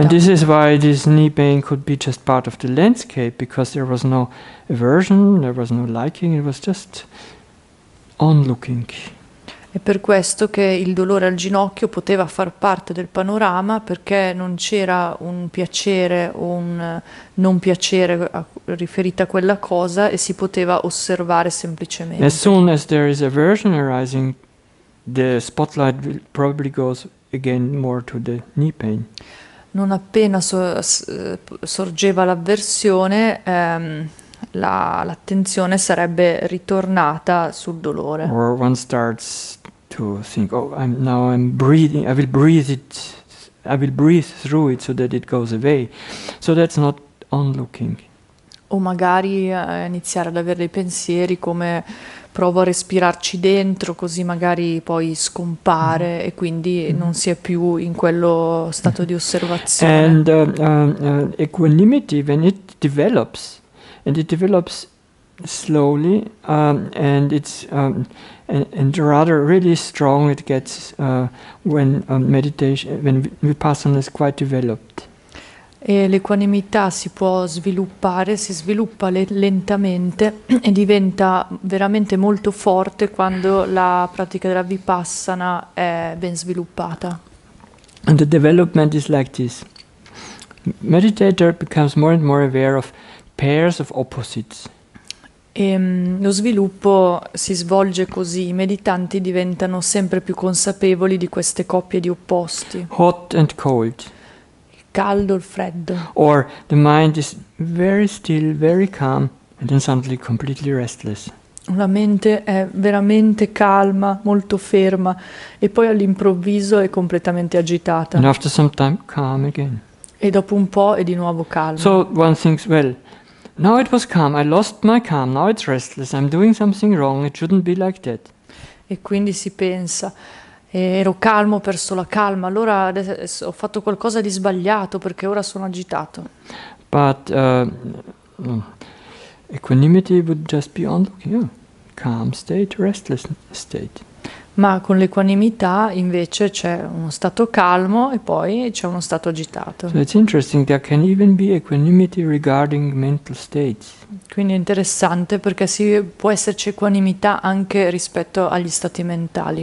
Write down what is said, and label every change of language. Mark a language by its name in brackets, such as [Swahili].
[English] And this is why this knee pain could be just part of the landscape, because there was no aversion, there was no liking, it was just on looking. [Italian] È per questo che il dolore al ginocchio poteva far parte del panorama, perché non c'era un piacere o un non piacere riferito a quella cosa e si poteva osservare semplicemente. [English] As soon as there is aversion arising, the spotlight will probably goes again more to the knee pain. [Italian] Non appena sorgeva l'avversione, l'attenzione sarebbe ritornata sul dolore. [English] Or one starts to think, oh, I'm breathing, I will breathe it, I will breathe through it so that it goes away. So that's not on looking. [Italian] O magari iniziare ad avere dei pensieri come provo a respirarci dentro, così magari poi scompare e quindi non si è più in quello stato di osservazione. [English] And equanimity, when it develops, and it develops slowly, and it's and rather really strong it gets when meditation, when vipassana is quite developed. [Italian] E l'equanimità si può sviluppare, si sviluppa lentamente e diventa veramente molto forte quando la pratica della vipassana è ben sviluppata. [English] And the development is like this. Meditator becomes more and more aware of pairs of opposites. [Italian] Lo sviluppo si svolge così, i meditanti diventano sempre più consapevoli di queste coppie di opposti. [English] Hot and cold. [Italian] Il caldo, il freddo. [English] Or the mind is very still, very calm, and then suddenly completely restless. [Italian] La mente è veramente calma, molto ferma, e poi all'improvviso è completamente agitata. [English] And after some time calm again. [Italian] E dopo un po' è di nuovo calmo. [English] So one thinks, well, now it was calm, I lost my calm, now it's restless, I'm doing something wrong, it shouldn't be like that. [Italian] E quindi si pensa, ero calmo, ho perso la calma, allora ho fatto qualcosa di sbagliato perché ora sono agitato. [English] But equanimity would just be on looking, yeah. Calm state, restless state. [Italian] Ma con l'equanimità invece c'è uno stato calmo e poi c'è uno stato agitato. [English] So it's interesting, there can even be equanimity regarding mental states. [Italian] Quindi è interessante perché si può esserci equanimità anche rispetto agli stati mentali.